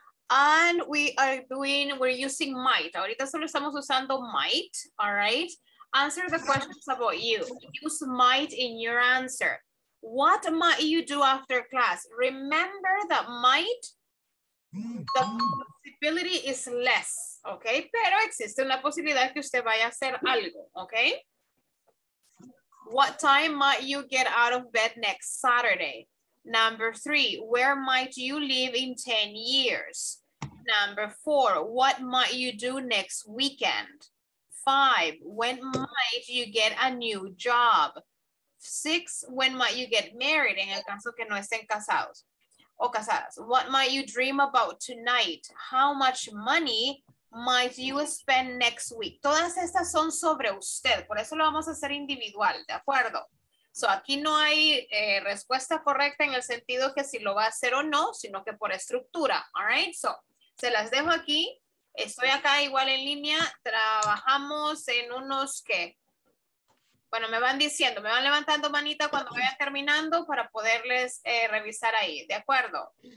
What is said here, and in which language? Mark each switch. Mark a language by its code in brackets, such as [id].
[en] And we are doing, we're using might. [es] Ahorita solo estamos usando might, [en] all right? Answer the questions about you. Use might in your answer. What might you do after class? Remember that might, the possibility is less, okay? [es] Pero existe una posibilidad que usted vaya a hacer algo, okay? [en] What time might you get out of bed next Saturday? Number three, where might you live in 10 years? Number four, what might you do next weekend? Five, when might you get a new job? Six, when might you get married? [es] En el caso que no estén casados o casadas. [en] What might you dream about tonight? How much money might you spend next week? [es] Todas estas son sobre usted. Por eso lo vamos a hacer individual, ¿de acuerdo? So aquí no hay respuesta correcta en el sentido que si lo va a hacer o no, sino que por estructura, all right? So se las dejo aquí. Estoy acá igual en línea. Trabajamos en unos que... Bueno, me van diciendo, me van levantando manita cuando vayan terminando para poderles revisar ahí, ¿de acuerdo?